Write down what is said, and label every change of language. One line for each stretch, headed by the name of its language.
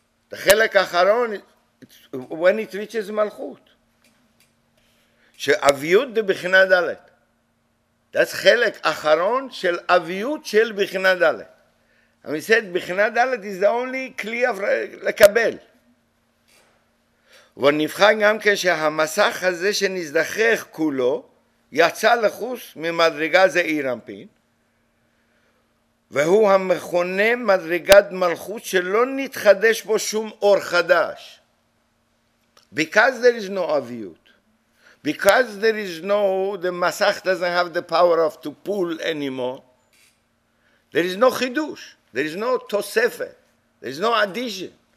English: The Chelek Acharon when it reaches Malchut. She Aviyut de Bichna Dalet. That's Chelek Acharon Shel Aviyut Shel Bichna Dalet. And we said Bichna Dalet is the only Kli of Lekabel.
Hebrew: ונבחר גם כשהמסך הזה שנזדחך כולו יצא לחוס ממדרגה זעיר אמפין, והוא המכונה מדרגת מלכות שלא נתחדש בו שום אור חדש.
English: Because there is no aviut, because there is no, the מסך doesn't have the power of to pull anymore, there is no חידוש, there is no תוספת, there is no addition.